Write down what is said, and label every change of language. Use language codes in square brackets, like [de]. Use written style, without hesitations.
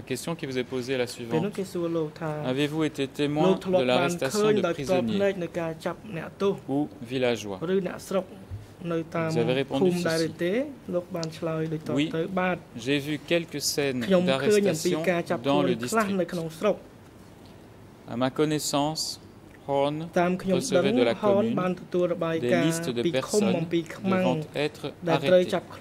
[fr] La question qui vous est posée la suivante. [km] នៅគេសួរលោកថា [fr] Avez-vous été témoin de l'arrestation de prisonniers? [km] នៅការចាប់អ្នកទោស ឬ [fr] villageois? [km] ឬអ្នកស្រុកនៅតាមភូមិដែលទេលោកបានឆ្លើយដូចតទៅបាទ [fr] J'ai vu quelques scènes d'arrestation dans le district. [km] នៅក្នុងស្រុក [fr] À ma connaissance,Horn recevait de la commune des listes de personnes devant être arrêtées.